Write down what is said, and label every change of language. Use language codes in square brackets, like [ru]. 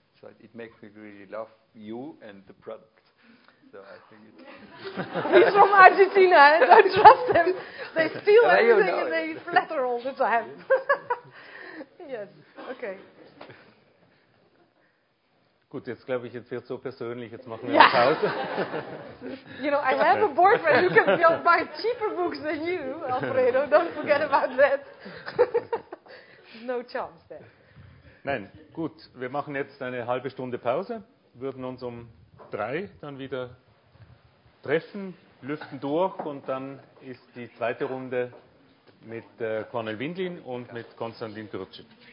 [en] So it makes me really love you and the product. So I think it's he's from Argentina. I don't trust him. They steal everything and they flatter all the time. Yes. Okay. [de] Gut, jetzt glaube ich, jetzt wird es so persönlich, jetzt machen wir eine Pause. [en] You know, I have a boyfriend who can buy cheaper books than you, Alfredo, don't forget about that. No chance there. [de] Nein, gut, wir machen jetzt eine halbe Stunde Pause, würden uns um 3 dann wieder treffen, lüften durch und dann ist die zweite Runde mit Cornel Windlin und mit Konstantin Türcin.